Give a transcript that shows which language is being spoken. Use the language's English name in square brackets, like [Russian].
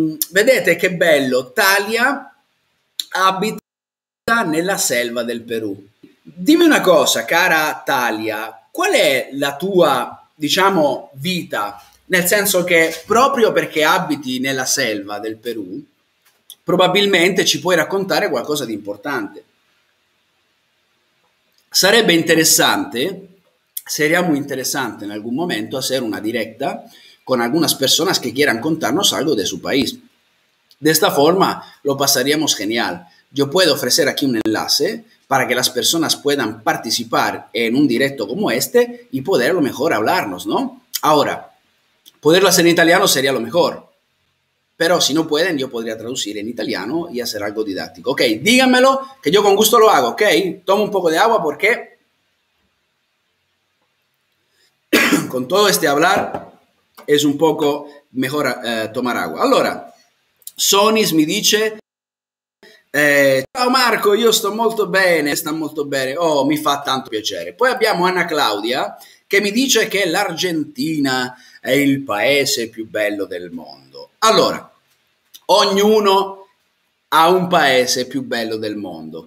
[Italian] Vedete che bello, Thalia abita nella selva del Perù. Dimmi una cosa, cara Thalia, qual è la tua, diciamo, vita? Nel senso che proprio perché abiti nella selva del Perù, probabilmente ci puoi raccontare qualcosa di importante. Sarebbe interessante, [Spanish] seriamo interessante in algún momento, a hacer una directa con algunas personas que quieran contarnos algo de su país. De esta forma lo pasaríamos genial. Yo puedo ofrecer aquí un enlace para que las personas puedan participar en un directo como este y poder a lo mejor hablarnos, ¿no? Ahora, poderlo hacer en italiano sería lo mejor. Pero si no pueden, yo podría traducir en italiano y hacer algo didáctico. Ok, díganmelo, que yo con gusto lo hago, ok. Tomo un poco de agua porque con todo este hablar es un poco mejor tomar agua. [Italian] Allora, Sonis me dice, ciao Marco, io sto molto bene, sta molto bene. Oh, mi fa tanto piacere. Poi abbiamo Anna Claudia che mi dice che l'Argentina è il paese più bello del mondo. Allora, ognuno ha un paese più bello del mondo.